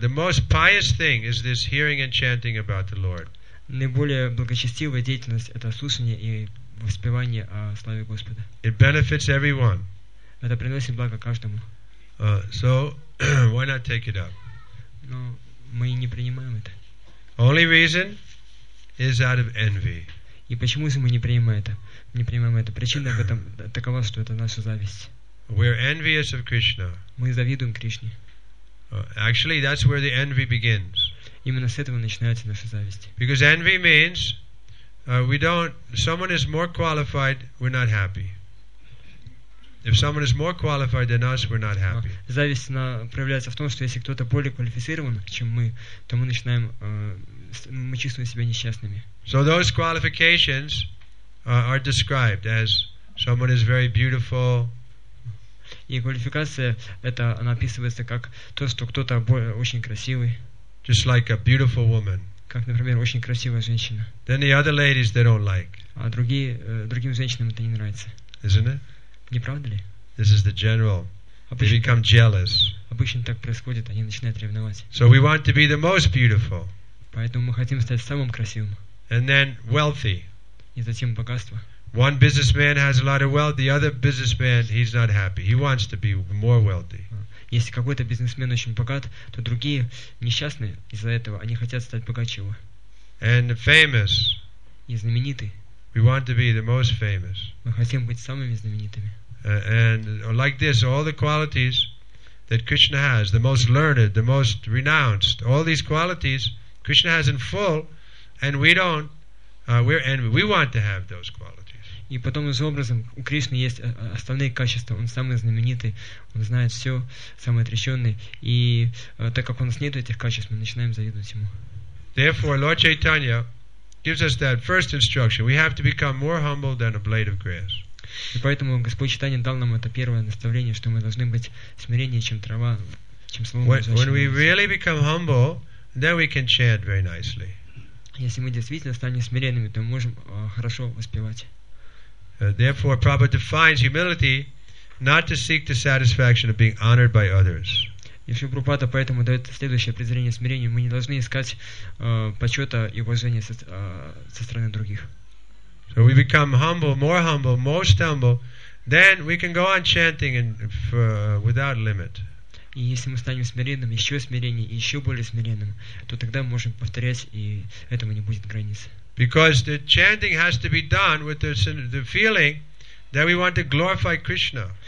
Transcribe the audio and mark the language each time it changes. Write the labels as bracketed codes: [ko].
[en] The most pious thing is this hearing and chanting about the Lord. [ru] Наиболее благочестивая деятельность — это слушание и воспевание о славе Господа. [en] It benefits everyone. [ru] Это приносит благо каждому. [en] So, why not take it up? [ru] Но мы не принимаем это. [en] Only reason is out of envy. [ru] И почему же мы не принимаем это? Причина в этом такова, что это наша зависть. [en] We're envious of Krishna. [ru] Мы завидуем Кришне. [en] Actually, that's where the envy begins. [ru] Именно с этого начинается наша зависть. [en] Because envy means we don't. Someone is more qualified, we're not happy. If someone is more qualified than us, we're not happy. [ru] Зависть проявляется в том, что если кто-то более квалифицирован, чем мы, то мы начинаем мы чувствуем себя несчастными. [en] So those qualifications are described as someone is very beautiful. [ru] И квалификация это она описывается как то, что кто-то очень красивый. [en] Just like a beautiful woman. [ru] Как, например, очень красивая женщина. [en] Then the other ladies they don't like. [ru] А другим женщинам это не нравится. [en] Isn't it? [ru] Не правда ли? [en] This is the general. [ru] Обычно, [en] they become jealous. [ru] Обычно так происходит, они начинают ревновать. [en] So we want to be the most beautiful. [ru] Поэтому мы хотим стать самым красивым. [en] And then wealthy. [ru] И затем богатство. [en] One businessman has a lot of wealth, the other businessman, he's not happy. He wants to be more wealthy. [ru] Если какой-то бизнесмен очень богат, то другие несчастны из-за этого, они хотят стать богаче его. [en] And famous. [ru] И знаменитый. [en] We want to be the most famous. [ru] Мы хотим быть самыми знаменитыми. [en] And like this, all the qualities that Krishna has, the most learned, the most renounced, all these qualities Krishna has in full, and we don't, we're envy. We want to have those qualities. [ru] И потом, таким образом, у Кришны есть основные качества. Он самый знаменитый, он знает все, самый отрешенный. И так как у нас нет этих качеств, мы начинаем завидовать ему. [en] Therefore, Lord Chaitanya gives us that first instruction. We have to become more humble than a blade of grass. [ru] И поэтому Господь Читание дал нам это первое наставление, что мы должны быть смиреннее, чем трава, чем слово. [en] When we really become humble, then we can chant very nicely. [ru] Если мы действительно станем смиренными, то мы можем хорошо воспевать. [en] Therefore, Prabhupada defines humility not to seek the satisfaction of being honored by others. [ru] И Шрила Прабхупада поэтому дает следующее презрение смирению. Мы не должны искать почета и уважения со стороны других. [en] So we become humble, more humble, most humble, then we can go on chanting and without limit. [ru] И если мы станем смиренным, еще смиреннее и еще более смиренным, то тогда мы можем повторять, и этому не будет границ. [en] Because the chanting has to be done with the feeling that we want to glorify Krishna.